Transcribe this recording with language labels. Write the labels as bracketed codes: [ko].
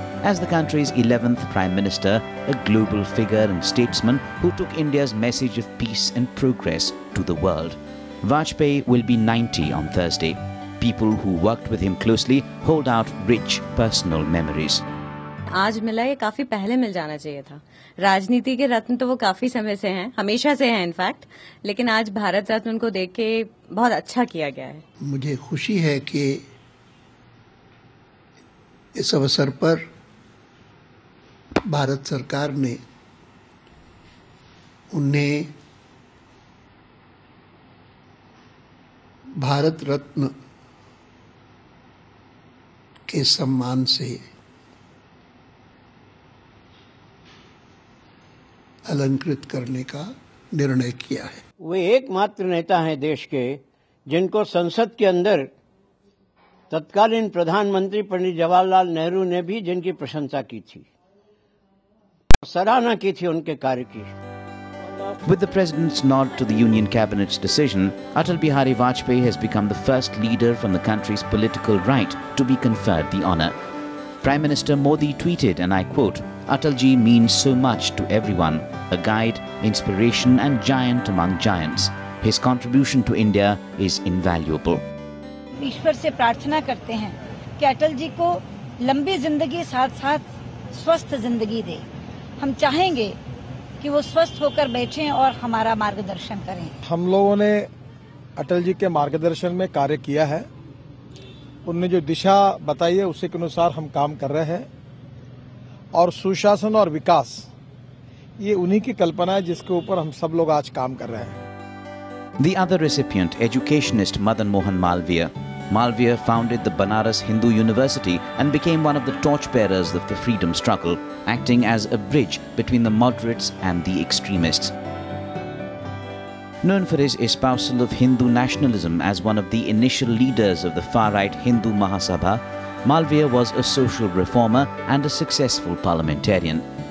[en] As the country's 11th Prime Minister, a global figure and statesman who took India's message of peace and progress to the world. Vajpayee will be 90 on Thursday. People who worked with him closely hold out rich personal memories. [hi] आज मिला ये काफी पहले मिल जाना चाहिए था. राजनीति के रत्न तो वो काफी समय से हैं, हमेशा से हैं इनफैक्ट, लेकिन आज भारत रत्न उनको देख के बहुत अच्छा किया गया है. मुझे खुशी है कि इस अवसर पर भारत सरकार ने उन्हें भारत रत्न के सम्मान से अलंकृत करने का निर्णय किया है. वे एकमात्र नेता हैं देश के जिनको संसद के अंदर तत्कालीन प्रधानमंत्री पंडित जवाहरलाल नेहरू ने भी जिनकी प्रशंसा की थी, सराहना की थी उनके कार्य की. [en] With the president's nod to the Union Cabinet's decision, Atal Bihari Vajpayee has become the first leader from the country's political right to be conferred the honor. Prime Minister Modi tweeted, and I quote, "Atalji means so much to everyone, a guide, inspiration and giant among giants. His contribution to India is invaluable." [hi] ईश्वर से प्रार्थना करते हैं कि अटल जी को लंबी जिंदगी साथ साथ स्वस्थ जिंदगी दे. हम चाहेंगे कि वो स्वस्थ होकर बैठे और हमारा मार्गदर्शन करें. हम लोगों ने अटल जी के मार्गदर्शन में कार्य किया है. उनने जो दिशा बताई है उसी के अनुसार हम काम कर रहे हैं और सुशासन और विकास ये उन्हीं की कल्पना है जिसके ऊपर हम सब लोग आज काम कर रहे हैं. [en] The other recipient, educationist Madan Mohan Malviya. Malviya founded the Banaras Hindu University and became one of the torchbearers of the freedom struggle, acting as a bridge between the moderates and the extremists. Known for his espousal of Hindu nationalism as one of the initial leaders of the far-right Hindu Mahasabha, Malviya was a social reformer and a successful parliamentarian.